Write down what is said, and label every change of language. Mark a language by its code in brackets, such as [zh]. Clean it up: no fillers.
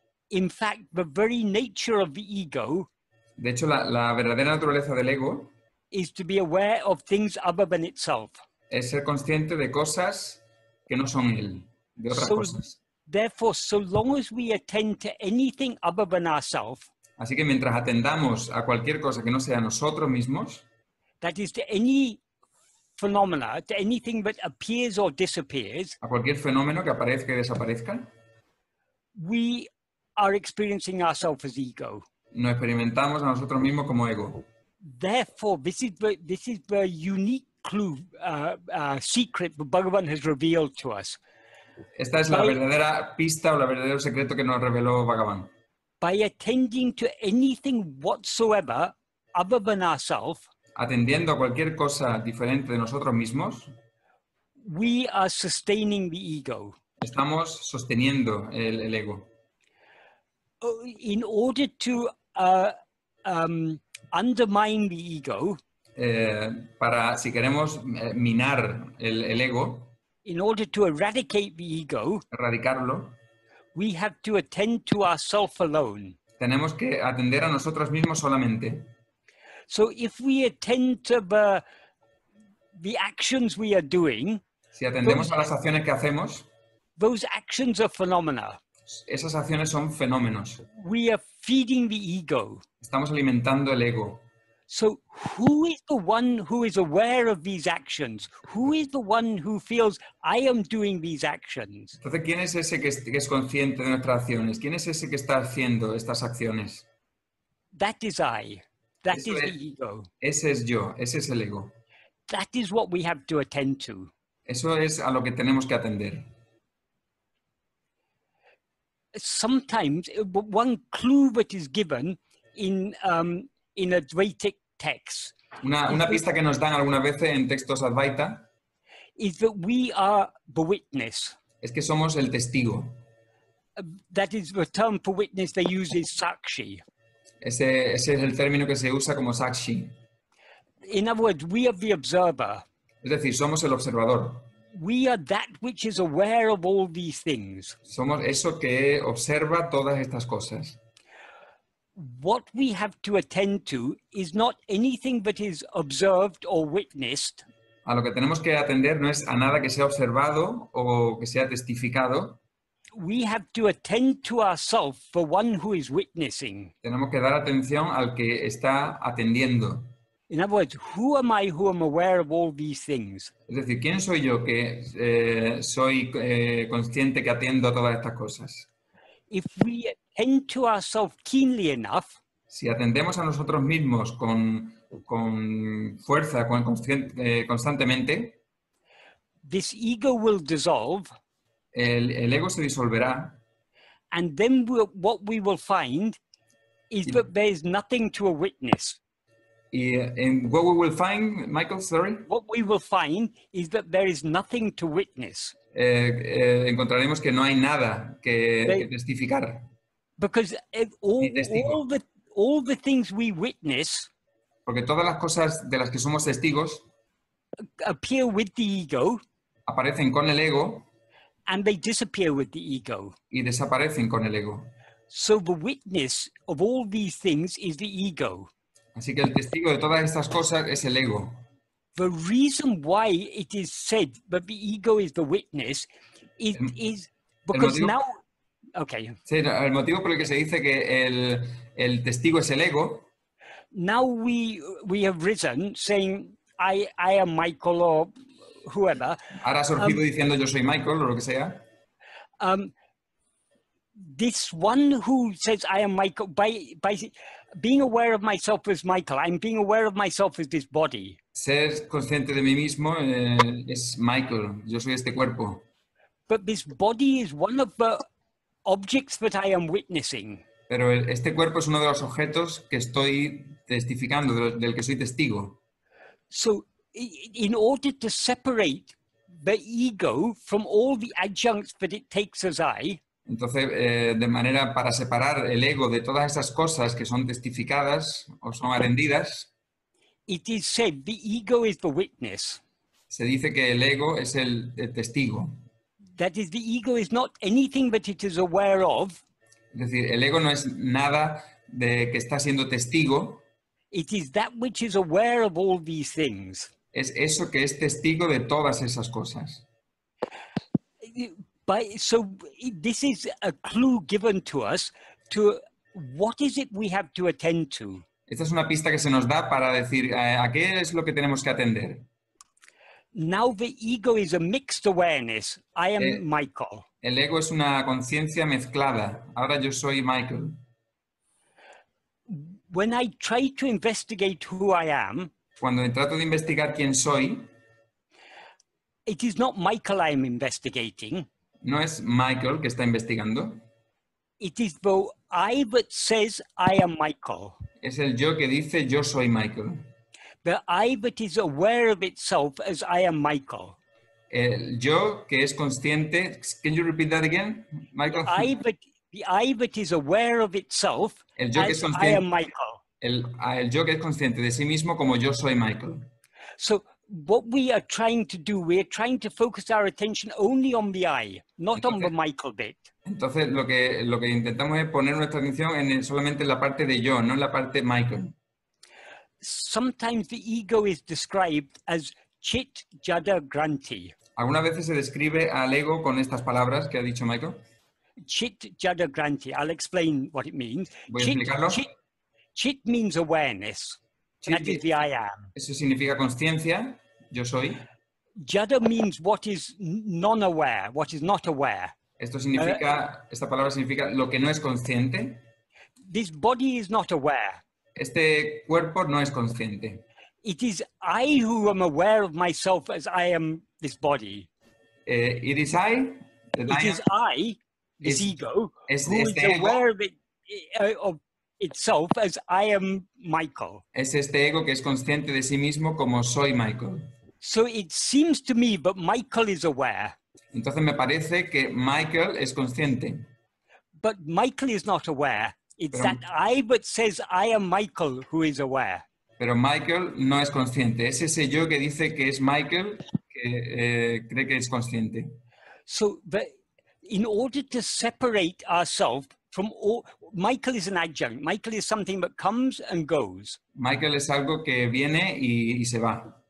[en] In fact, the very nature of the ego, [es] de hecho, la verdadera naturaleza del ego, [en] is to be aware of things other than itself. [es] Es ser consciente de cosas que no son él, de otras cosas. [en] Therefore, so long as we attend to anything other than ourselves, [es] así que mientras atendamos a cualquier cosa que no sea nosotros mismos. [en] That is to any phenomena, to anything that appears or disappears. [es] A cualquier fenómeno que aparezca y desaparezca. [en] We are experiencing ourselves as ego. [es] Nos experimentamos a nosotros mismos como ego. [en] Therefore, this is the unique clue, secret that Bhagavan has revealed to us. [es] Esta es la verdadera pista o el verdadero secreto que nos reveló Bhagavan. [en] By attending to anything whatsoever other than ourselves. [es] Atendiendo a cualquier cosa diferente de nosotros mismos, [en] we are sustaining the ego. [es] Estamos sosteniendo el ego. [en] In order to undermine the ego, [es] para si queremos minar el ego, [en] in order to eradicate the ego, [es] erradicarlo, [en] we have to attend to ourselves alone. [es] Tenemos que atender a nosotros mismos solamente. [en] So if we attend to the actions we are doing, [es] si atendemos a las acciones que hacemos, [en] those actions are phenomena. [es] Esas acciones son fenómenos. [en] We are feeding the ego. [es] Estamos alimentando el ego. [en] So who is the one who is aware of these actions? Who is the one who feels I am doing these actions? [es] Entonces, ¿quién es ese que es consciente de nuestras acciones? ¿Quién es ese que está haciendo estas acciones? [en] That is I. That is the ego. [es] Ese es yo, ese es el ego. [en] That is what we have to attend to. [es] Eso es a lo que tenemos que atender. [en] sometimes one clue that is given in Advaitic texts. [es] Una pista que nos dan algunas veces en textos Advaita. [en] Is that we are the witness. [es] Es que somos el testigo. [en] That is the term for witness they use is sakshi. [es] Ese es el término que se usa como sakshi. [en] In other words, we are the observer. [es] Es decir, somos el observador. [en] We are that which is aware of all these things. [es] Somos eso que observa todas estas cosas. [en] What we have to attend to is not anything that is observed or witnessed. [es] A lo que tenemos que atender no es a nada que sea observado o que sea testificado. [en] We have to attend to ourselves, the one who is witnessing. [es] Tenemos que dar atención al que está atendiendo. [en] In other words, who am I who am aware of all these things? [es] Es decir, ¿quién soy yo que soy consciente que atiendo a todas estas cosas? [en] If we attend to ourselves keenly enough, [es] si atendemos a nosotros mismos con fuerza, constantemente, [en] this ego will dissolve. [es] El ego se disolverá. [en] And then what we will find is that there is nothing to a witness. And what we will find, Michael, sorry? What we will find is that there is nothing to witness. [es] Encontraremos que no hay nada que testificar. [en] Because all the things we witness, [es] porque todas las cosas de las que somos testigos, [en] appear with the ego, [es] aparecen con el ego, [en] and they disappear with the ego, [es] y desaparecen con el ego. [en] So the witness of all these things is the ego. [es] Así que el testigo de todas estas cosas es el ego. [en] The reason why it is said that the ego is the witness is because now... Okay. [es] Sí, el motivo por el que se dice que el testigo es el ego... [en] Now we have risen saying, I am Michael or whoever. [es] Ahora ha surgido diciendo yo soy Michael o lo que sea. [en] This one who says I am Michael, by being aware of myself as Michael, I'm being aware of myself as this body. [es] Ser consciente de mí mismo es Michael, yo soy este cuerpo. [en] But this body is one of the objects that I am witnessing. [es] Pero este cuerpo es uno de los objetos que estoy testificando, del que soy testigo. [en] So, in order to separate the ego from all the adjuncts that it takes as I, [es] entonces, de manera para separar el ego de todas esas cosas que son testificadas o son arendidas, [en] it is said the ego is the witness. [es] Se dice que el ego es el testigo. [en] That is, the ego is not anything that it is aware of. [es] Es decir, el ego no es nada de que está siendo testigo. [en] It is that which is aware of all these things. [es] Es eso que es testigo de todas esas cosas. [en] So this is a clue given to us to what is it we have to attend to. [es] Esta es una pista que se nos da para decir a qué es lo que tenemos que atender. [en] Now the ego is a mixed awareness. I am Michael. [es] El ego es una conciencia mezclada. Ahora yo soy Michael. [en] When I try to investigate who I am, [es] cuando trato de investigar quién soy, [en] it is not Michael I am investigating. [es] No es Michael que está investigando. [en] It is the I that says I am Michael. [es] Es el yo que dice yo soy Michael. [en] The I that is aware of itself as I am Michael. [es] El yo que es consciente. [en] Can you repeat that again, Michael? The I that is aware of itself. [es] El yo [en] as [es] que es consciente. [en] I am Michael. [es] El yo que es consciente de sí mismo como yo soy Michael. [en] So what we are trying to do, we are trying to focus our attention only on the I, not on the Michael bit. [es] Entonces lo que intentamos es poner nuestra atención solamente en la parte de yo, no en la parte Michael. [en] Sometimes the ego is described as chit jada granti. [es] ¿Alguna vez se describe al ego con estas palabras que ha dicho Michael? [en] Chit jada granti. I'll explain what it means. [es] ¿Voy a explicarlo? [en] Chit means awareness. That is the I am. [es] Eso significa consciencia, yo soy. [en] Jada means what is non-aware, what is not aware. [es] Esto significa, esta palabra significa lo que no es consciente. [en] This body is not aware. [es] Este cuerpo no es consciente. [en] It is I who am aware of myself as I am this body. It is I. It is I. this ego, who is aware of itself as I am Michael. [es] Es este ego que es consciente de sí mismo como soy Michael. [en] So it seems to me that Michael is aware. [es] Entonces me parece que Michael es consciente. [en] But Michael is not aware. It's that I that says I am Michael who is aware. [es] Pero Michael no es consciente. Es ese yo que dice que es Michael que cree que es consciente. [en] So that in order to separate ourselves from all, Michael is an adjunct. Michael is something that comes and goes. [es] Michael es algo que viene y se va.